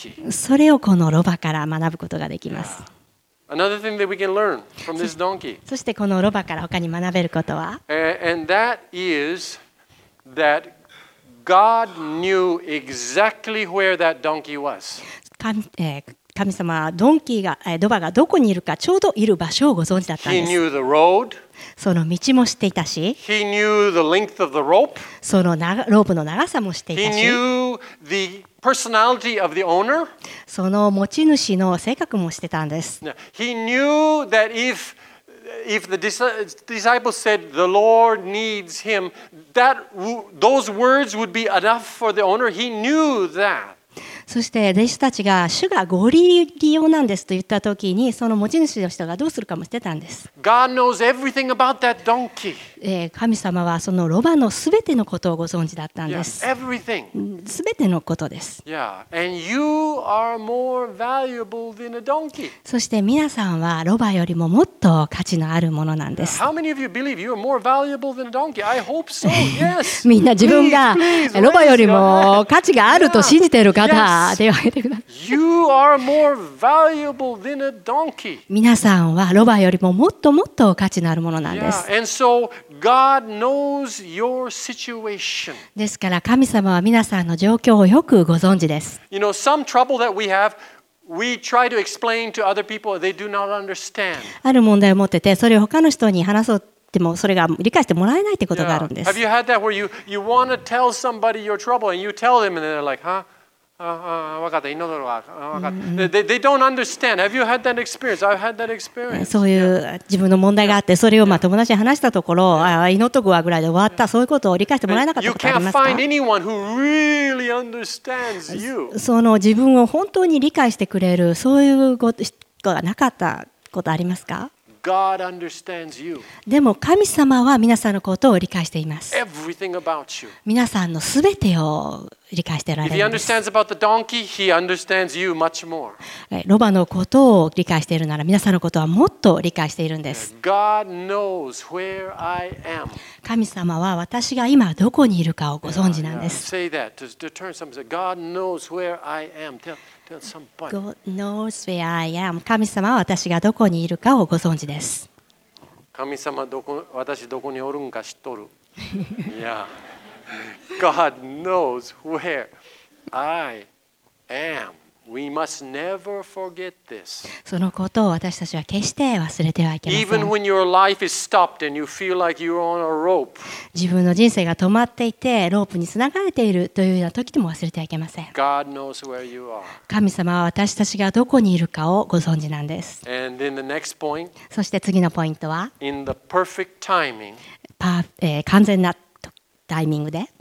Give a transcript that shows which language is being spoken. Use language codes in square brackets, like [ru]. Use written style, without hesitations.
[ja] それをこのロバから学ぶことができます。 [en] Another thing that we can learn from this donkey. [ja] そしてこのロバから他に学べることは、 [en] And that isThat God knew exactly where that donkey was. [ja] 神様はドンキーが、ロバがどこにいるかちょうどいる場所をご存知だったんです。 [en] He knew the road. [ja] その道も知っていたし。 [en] He knew the length of the rope. [ja] そのロープの長さも知っていたし。 [en] He knew the personality of the owner. [ja] その持ち主の性格も知ってたんです。 [en] He knew that if the disciples said the Lord needs him, that those words would be enough for the owner. He knew that. [ja] そして弟子たちが主がご利用なんですと言った時にその持ち主の人がどうするかも知ってたんです。 [en] God knows everything about that donkey. [ja] 神様はそのロバのすべてのことをご存知だったんです。 [en] yeah, everything. [ja] すべてのことです。 [en] yeah. And you are more valuable than a donkey. [ja] そして皆さんはロバよりももっと価値のあるものなんです。 [en] How many of you believe you are more valuable than a donkey? I hope so. Yes. [ja] みんな自分がロバよりも価値があると信じている方、手を挙げてください。 [en] You are more valuable than a donkey. [ja] 皆さんはロバよりももっともっと価値のあるものなんです。 [en] Yeah. And so God knows your situation. [ja] ですから神様は皆さんの状況をよくご存知です。 [en] You know, some trouble that we have, we try to explain to other people, they do not understand. [ja] ある問題を持ってて、それを他の人に話そうでもそれが理解してもらえないということがあるんです。 [en] Have you had that where you want to tell somebody your trouble and you tell them and they're like, huh? [ja] 分かった、祈るわ、分かった。 [en] They don't understand. Have you had that experience? I've had that experience. [ja] そういう自分の問題があって、それをまあ友達に話したところ、祈っとくわぐらいで終わった、そういうことを理解してもらえなかったことありますか？ [en] You can't find anyone who really understands you. [ja] その自分を本当に理解してくれる、そういうことがなかったことありますか？ [en] God understands you. [ja] でも神様は皆さんのことを理解しています。 [en] Everything about you. [ja] 皆さんのすべてを理解しておられます。 [en] If he understands about the donkey, he understands you much more. [ja] ロバのことを理解しているなら皆さんのことはもっと理解しているんです。 [en] God knows where I am. [ja] 神様は私が今どこにいるかをご存知なんです。 [en] Say that. Just turn something. God knows where I am. God knows where I am. [ja] 神様は私がどこにいるかをご存知です。神様私どこにおるんか知っとる。 [en] Yeah. God knows where I am. We must never forget this. [ja] そのことを私たちは決して忘れてはいけません。 [en] Even when your life is stopped and you feel like you're on a rope. [ja] 自分の人生が止まっていてロープにつながれているというような時でも忘れてはいけません。 [en] God knows where you are. [ja] 神様は私たちがどこにいるかをご存知なんです。 [en] And then the next point. [ja] そして次のポイントは。 [en] In the perfect timing. [ja] 完全なタイミングで。